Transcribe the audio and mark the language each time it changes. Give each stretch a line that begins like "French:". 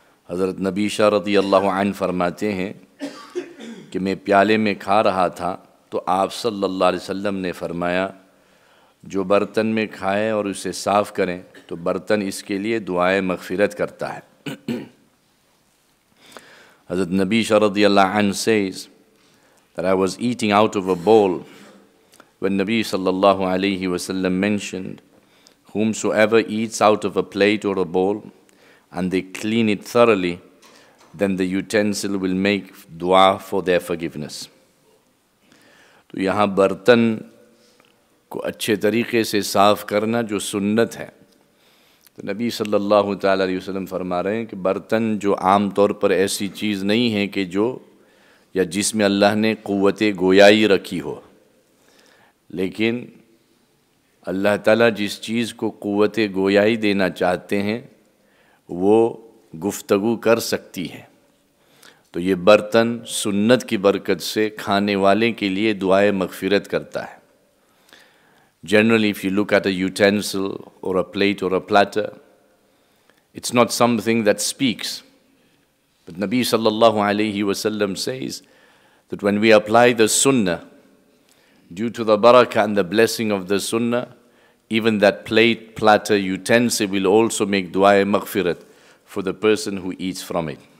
Urdu: حضرت نبی شاہ رضی اللہ عنہ فرماتے ہیں کہ میں پیالے میں کھا رہا تھا تو آپ صلی اللہ علیہ وسلم نے فرمایا جو برتن میں کھائیں اور اسے صاف کریں تو برتن اس کے لیے دعائے مغفرت کرتا ہے.
English: حضرت نبی شاہ رضی اللہ عنہ says that I was eating out of a bowl when Nabi sallallahu alayhi wa sallam mentioned whomsoever eats out of a plate or a bowl and they clean it thoroughly, then the utensil will make dua for their forgiveness.
Urdu: تو یہاں برتن کو اچھے طریقے سے صاف کرنا جو سنت ہے تو نبی صلی اللہ تعالیٰ علیہ وسلم فرما رہے ہیں کہ برتن جو عام طور پر ایسی چیز نہیں ہے کہ جو یا جس میں اللہ نے قوت گویائی رکھی ہو, لیکن اللہ تعالیٰ جس چیز کو قوت گویائی دینا چاہتے ہیں وہ گفتگو کر سکتی ہے. تو یہ برتن سنت کی برکت سے کھانے والے کے لیے دعائے مغفرت کرتا ہے.
English: Generally, if you look at a utensil or a plate or a platter, it's not something that speaks. But Nabi sallallahu alayhi wa sallam says that when we apply the sunnah, due to the barakah and the blessing of the sunnah, even that plate, platter, utensil will also make dua-e maghfirat for the person who eats from it.